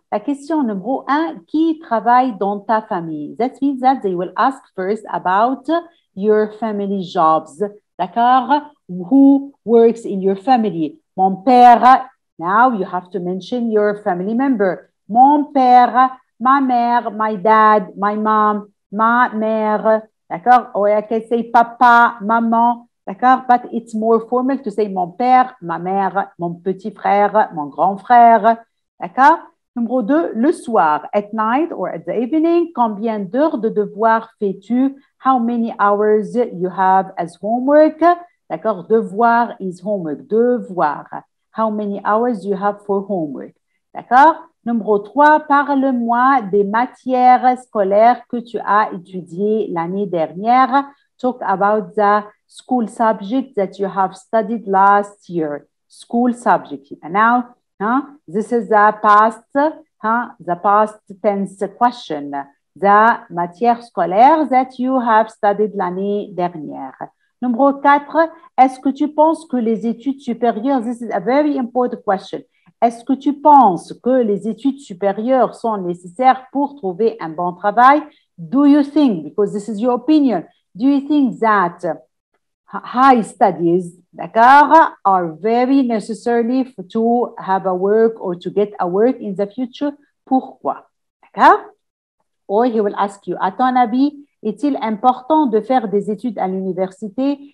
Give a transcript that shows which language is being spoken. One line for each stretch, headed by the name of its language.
French: La question numéro un, qui travaille dans ta famille?
English: That means that they will ask first about your family jobs, d'accord? Who works in your family? Mon père, now you have to mention your family member.
French: Mon père, ma mère,
English: my dad, my mom,
French: ma mère, d'accord?
English: Or I can say papa, maman, d'accord? But it's more formal to say
French: mon père, ma mère, mon petit frère, mon grand frère,
English: d'accord?
French: Numéro deux, le soir,
English: at night or at the evening,
French: combien d'heures de devoir fais-tu?
English: How many hours you have as homework? D'accord? Devoir is homework. Devoir. How many hours you have for homework? D'accord?
French: Numéro 3, parle-moi des matières scolaires que tu as étudiées l'année dernière.
English: Talk about the school subject that you have studied last year. School subject. And now, this is the past, the past tense question. The matières scolaires that you have studied
French: l'année dernière. Numéro 4, est-ce que tu penses que les études supérieures,
English: this is a very important question.
French: Est-ce que tu penses que les études supérieures sont nécessaires pour trouver un bon travail?
English: Do you think, because this is your opinion, do you think that high studies, d'accord, are very necessary to have a work or to get a work in the future? Pourquoi? D'accord? Or he will ask you,
French: à ton avis, est-il important de faire des études à l'université?